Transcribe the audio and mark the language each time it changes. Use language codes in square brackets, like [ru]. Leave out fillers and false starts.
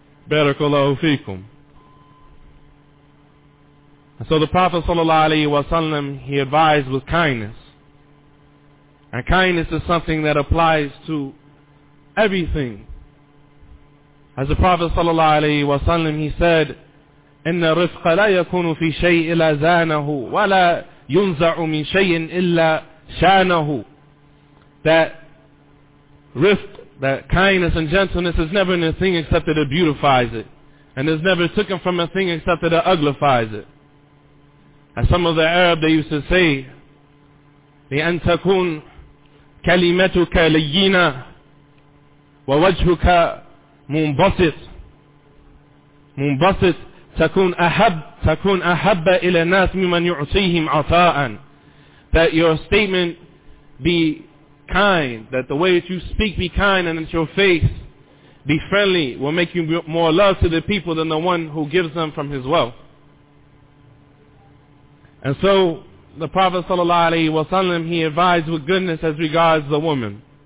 [ar] Barakallahu feekum. [en] And so the Prophet sallallahu alaihi wasallam, he advised with kindness. And kindness is something that applies to everything. As the Prophet sallallahu alaihi wasallam, he said, [ar] إن الرفق لا يكون في شيء إلا زانه ولا ينزع من شيء إلا شانه. [en] That rifq, that kindness and gentleness, is never in a thing except that it beautifies it, and is never taken from a thing except that it uglifies it. As some of the Arab, they used to say, [ar] لأن تكون كلمتك لينة ووجهك منبسط منبسط تكون أحب إلى الناس ممن يعطيهم عطاء. [en] That your statement be kind, that the way that you speak be kind, and that your face be friendly, will make you more love to the people than the one who gives them from his wealth. And so the Prophet sallallahu alaihi wasallam, he advised with goodness as regards the woman.